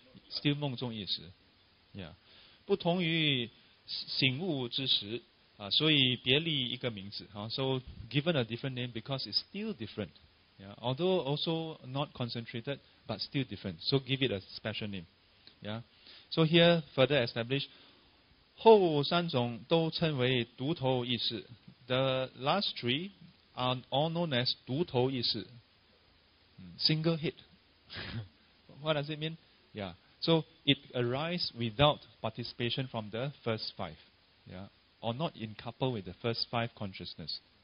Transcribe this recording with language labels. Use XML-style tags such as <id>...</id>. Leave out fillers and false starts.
<en>Still 梦中意识.Yeah.</en> <zh>不同于醒悟之时, 所以别立一个名字,</zh> <en>so given a different name because it's still different. Yeah. Although also not concentrated, but still different. So give it a special name. Yeah. So here, further established,</en> <zh>后三种都称为独头意识。</zh> <en>The last three are all known as 独头意识。 Single head. What does it mean? Yeah. So it arises without participation from the first five. Yeah. Or not in couple with the first five consciousness.</en>